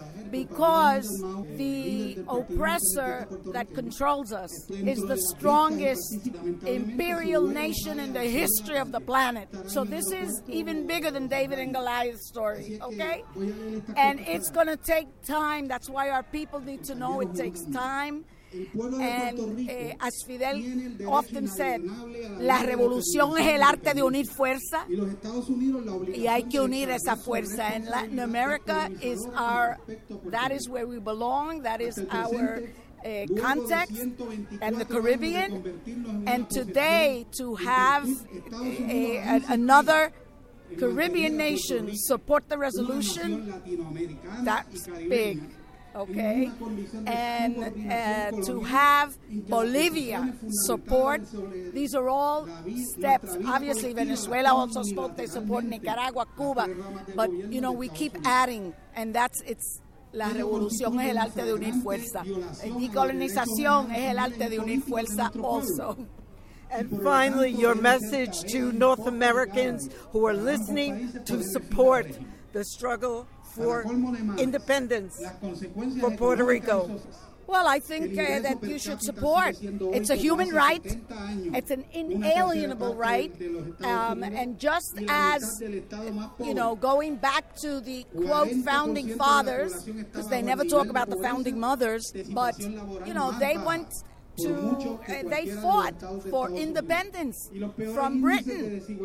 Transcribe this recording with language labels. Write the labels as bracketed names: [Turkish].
[English] Because the oppressor that controls us is the strongest imperial nation in the history of the planet. So this is even bigger than David and Goliath's story, okay? And it's going to take time. That's why our people need to know it takes time. And as Fidel often said, [Spanish] la revolución es el arte de unir fuerza, y hay que unir esa fuerza. [English] And Latin America is our, that is where we belong, that is our context, and the Caribbean. And today, to have another Caribbean nation support the resolution, that's big. Okay, and to have Bolivia support, these are all steps. Obviously, Venezuela also spoke, they support Nicaragua, Cuba, but, you know, we keep adding, and that's, it's [Spanish] la revolución es el arte de unir fuerza. Decolonización es el arte de unir fuerza also. [English] And finally, your message to North Americans who are listening to support the struggle for independence for Puerto Rico. Well, I think that you should support. It's a human right. It's an inalienable right. And just as, you know, going back to the, quote, founding fathers, because they never talk about the founding mothers, but, you know, they went to, they fought for independence from Britain.